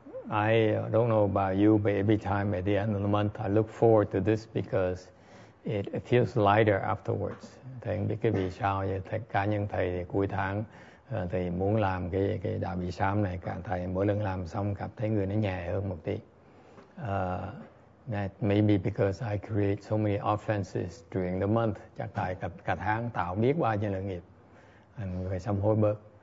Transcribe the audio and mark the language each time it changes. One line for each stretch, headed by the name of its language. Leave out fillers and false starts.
English: I don't know about you, but every time at the end of the month, I look forward to this because it feels lighter afterwards.
Vietnamese: Thầy không biết cái vì sao vậy. Thầy cá nhân thầy cuối tháng thì muốn làm cái đạo bị sám này. Cảm thấy mỗi lần làm xong cảm thấy người nó nhẹ hơn một tí.
English: That maybe because I create so many offenses during the month.
Vietnamese: Chắc tại cả tháng tạo biết bao nhiêu là nghiệp. Người sám hối bớt.